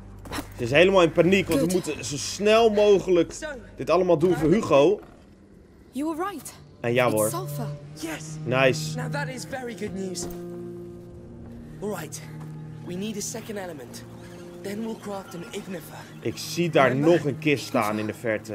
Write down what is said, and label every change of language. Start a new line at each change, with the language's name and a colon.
Dutch: Het is helemaal in paniek, want we moeten zo snel mogelijk dit allemaal doen voor Hugo.
English: You were right.
Dutch: En ja hoor.
English: Yes. Nice. Now that is very good news. All right. We need a second element. Then we'll craft an ignifer.
Dutch: Ik zie daar nog een kist staan in de verte.